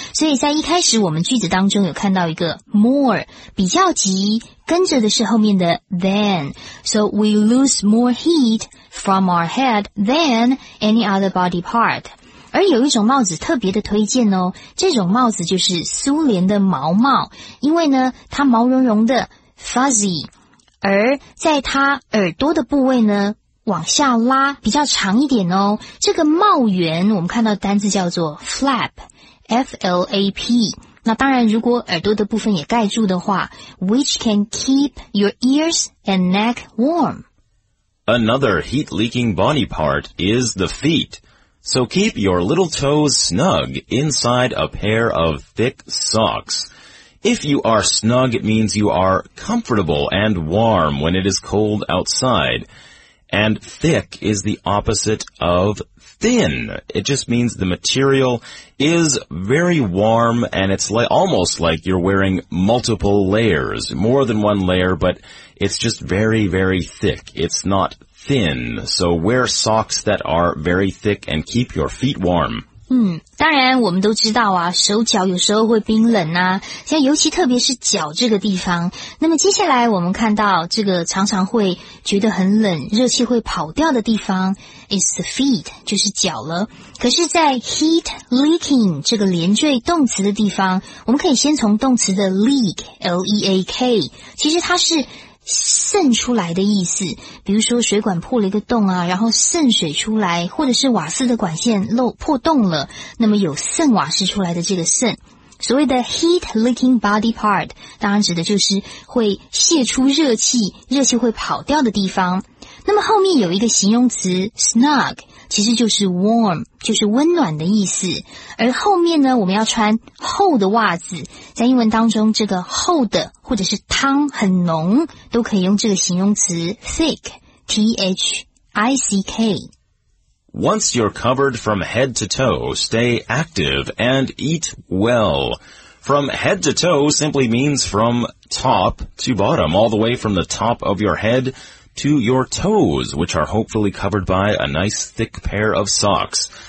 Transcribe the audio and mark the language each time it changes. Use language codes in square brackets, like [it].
[zh] 所以在一开始我们句子当中有看到一个 more 比较级，跟着的是后面的 than， [en] so we lose more heat from our head than any other body part。 [zh] 而有一种帽子特别的推荐哦，这种帽子就是苏联的毛帽，因为呢它毛茸茸的 fuzzy。而在他耳朵的部位呢往下拉比较长一点哦，这个帽圆我们看到单字叫做 flap F-L-A-P， 那当然如果耳朵的部分也盖住的话， [en] which can keep your ears and neck warm. Another heat leaking body part is the feet, so keep your little toes snug inside a pair of thick socksIf you are snug, it means you are comfortable and warm when it is cold outside. And thick is the opposite of thin. It just means the material is very warm, and it's like, almost like you're wearing multiple layers, more than one layer, but it's just very, very thick. It's not thin. So wear socks that are very thick and keep your feet warm. [zh] 当然我们都知道啊，手脚有时候会冰冷啊，像尤其特别是脚这个地方。那么接下来我们看到这个常常会觉得很冷，热气会跑掉的地方 [en] is the feet， [zh] 就是脚了。可是在 heat leaking 这个连缀动词的地方，我们可以先从动词的 leak L-E-A-K， 其实它是渗出来的意思，比如说水管破了一个洞啊，然后渗水出来，或者是瓦斯的管线漏破洞了，那么有渗瓦斯出来的这个渗，所谓的 [en] heat leaking body part [zh] 当然指的就是会泄出热气，热气会跑掉的地方。那么后面有一个形容词 snug， 其实就是 warm， 就是温暖的意思。而后面呢我们要穿厚的袜子，在英文当中这个厚的或者是汤很浓都可以用这个形容词 thick T-H-I-C-K。 [en] Once you're covered from head to toe, stay active and eat well. From head to toe simply means from top to bottom, all the way from the top of your headto your toes, which are hopefully covered by a nice thick pair of socks.